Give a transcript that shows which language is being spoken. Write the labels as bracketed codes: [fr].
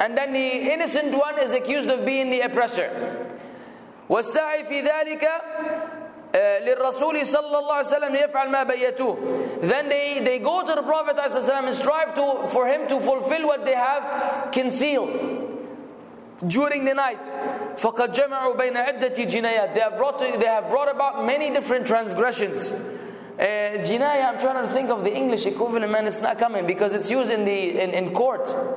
[en] And then the innocent one is accused of being the oppressor. [ar] والسعي في ذلك للرسول صلى الله عليه وسلم يفعل ما بيتوه. [en] Then they go to the Prophet صلى الله عليه وسلم and strive to for him to fulfill what they have concealed during the night. [ar] فَقَدْ جَمَعُوا بَيْنَ عِدَّةِ جِنَايَاتِ. [en] They have brought about many different transgressions. Jinaya, I'm trying to think of the English equivalent, man, it's not coming, because it's used in court.